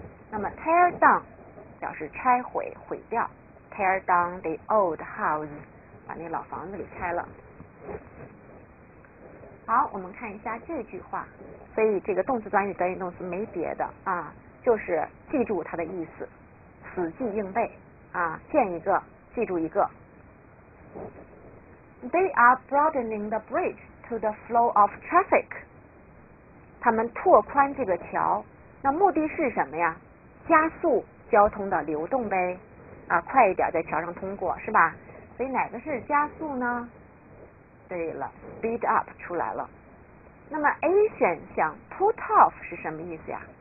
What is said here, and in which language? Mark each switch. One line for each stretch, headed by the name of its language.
Chinese: 那么 tear down 表示拆毁毁掉，
English: tear down the old house，
Chinese: 把那老房子给拆了。好，我们看一下这句话，所以这个动词短语短语动词没别的啊，就是记住它的意思。死记硬背啊，见一个记住一个。
English: They are broadening the bridge to the flow of traffic.
Chinese: 他们拓宽这个桥，那目的是什么呀？加速交通的流动呗，啊，快一点在桥上通过，是吧？所以哪个是加速呢？对了 ，speed up 出来了。那么 A 选项 put off 是什么意思呀？